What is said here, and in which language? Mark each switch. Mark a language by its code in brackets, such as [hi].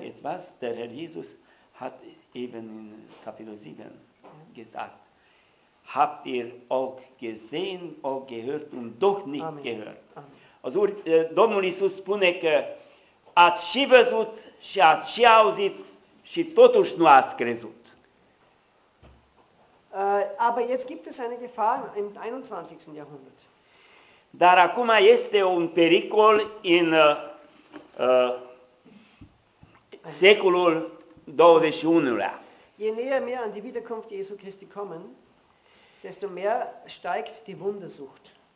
[de] etwas, der Herr Jesus hat eben in Kapitel 7 gesagt, habt ihr auch gesehen, auch gehört und doch nicht Amen. Gehört. [ro] Also, Domnul Iisus spune că ați și văzut și ați și auzit și totuși nu ați crezut. [de] Aber jetzt gibt es eine Gefahr im 21. Jahrhundert. [ro] Dar acum este un pericol în secolul 21-lea. [de] Je näher mehr an die Wiederkunft Jesu Christi kommen, desto mehr steigt die Wundersucht.